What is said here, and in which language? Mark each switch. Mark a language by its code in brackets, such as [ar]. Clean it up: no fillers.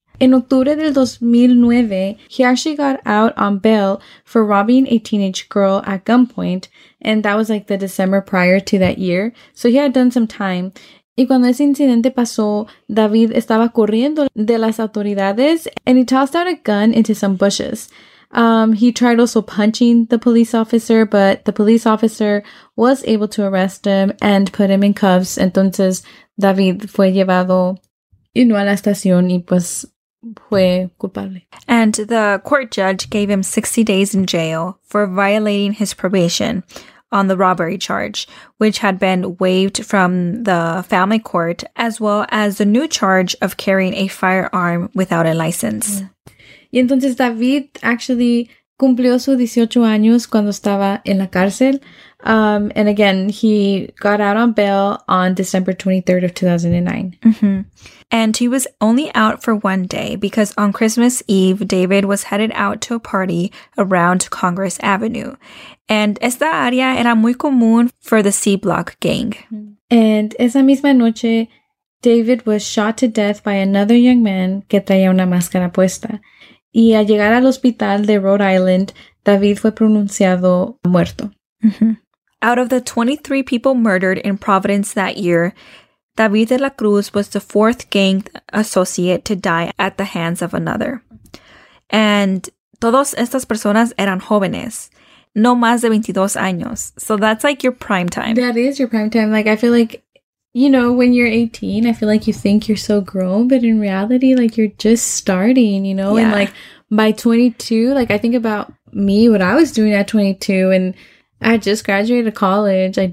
[en] In October del 2009, he actually got out on bail for robbing a teenage girl at gunpoint. And that was like the December prior to that year. So he had done some time. [es] Y cuando ese incidente pasó, David estaba corriendo de las autoridades, [en] and he tossed out a gun into some bushes. He tried also punching the police officer, but the police officer was able to arrest him and put him in cuffs. [es] Entonces, David fue llevado a la estación y pues fue culpable. [en] And the court judge gave him 60 days in jail for violating his probation on the robbery charge, which had been waived from the family court, as well as the new charge of carrying a firearm without a license. [es] Y entonces David actually cumplió sus 18 años cuando estaba en la cárcel. [en] And again, he got out on bail on December 23rd of 2009. Mm-hmm. And he was only out for one day because on Christmas Eve, David was headed out to a party around Congress Avenue. [es] And esta área era muy común [en] for the C-Block gang. And [es] esa misma noche, [en] David was shot to death by another young man [es] que traía una máscara puesta. Y al llegar al hospital de Rhode Island, David fue pronunciado muerto. Mm-hmm. [en] Out of the 23 people murdered in Providence that year, David de la Cruz was the fourth gang associate to die at the hands of another. [es] And todas estas personas eran jóvenes, no más de 22 años. [en] So that's like your prime time. That is your prime time. Like, I feel like, you know, when you're 18, I feel like you think you're so grown, but in reality, like, you're just starting, you know? Yeah. And like, by 22, like, I think about me, what I was doing at 22, and I just graduated college.